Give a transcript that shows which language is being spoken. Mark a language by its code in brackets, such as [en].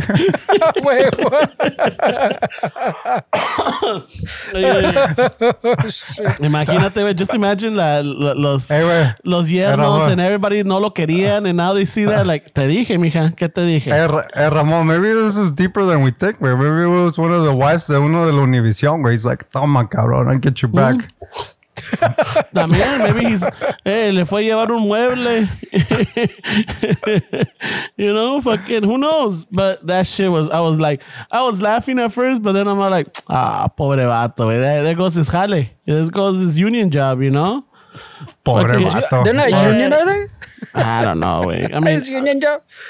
[en] Wait, what? [es] Imagínate, wey, [en] just imagine [es] los yernos [en] and everybody [es] no lo querían [en] and now they see that like, [es] te dije, mija, ¿qué te dije? [en] Hey, Ramón, maybe this is deeper than we think, wey. Maybe it was one of the wives [es] de uno de la Univision, wey. [en] He's like, [es] toma, cabrón, [en] I'll get you back. Mm-hmm. [es] También, [en] maybe he's, [es] le fue a llevar un mueble. [en] You know, fucking, who knows? But that shit was, I was laughing at first, but then I'm like, ah, [es] pobre vato, wey. [en] There goes his jale. There goes his union job, you know? [es] Pobre vato. [en] They're not union, are they? I don't know, wey. I mean, his union job?